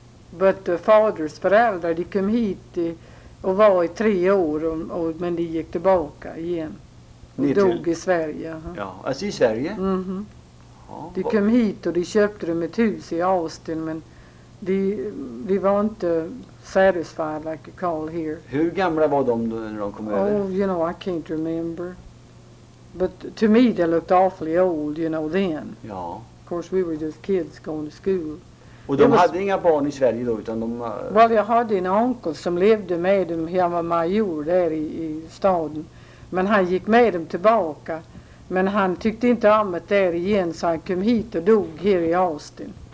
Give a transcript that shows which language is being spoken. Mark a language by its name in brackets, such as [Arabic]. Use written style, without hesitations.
[English] But the fathers [Swedish] föräldrar, de kom hit i och var i 3 år, men de gick tillbaka igen och ner dog till i Sverige. Ja, alltså i Sverige? Mm-hmm. Ja, de kom hit och de köpte dem ett hus i Austin, men de var inte [English] satisfied like a call here. [Swedish] Hur gamla var de då när de kom över? [English] Oh, you know, I can't remember. But to me they looked awfully old, you know, then. Ja. Of course we were just kids going to school. [Swedish] Och de hade inga barn i Sverige då, utan de... Well, jag hade en onkel som levde med dem. Han var major där i staden. Men han gick med dem tillbaka. Men han tyckte inte om det där igen, så han kom hit och dog här i Austin.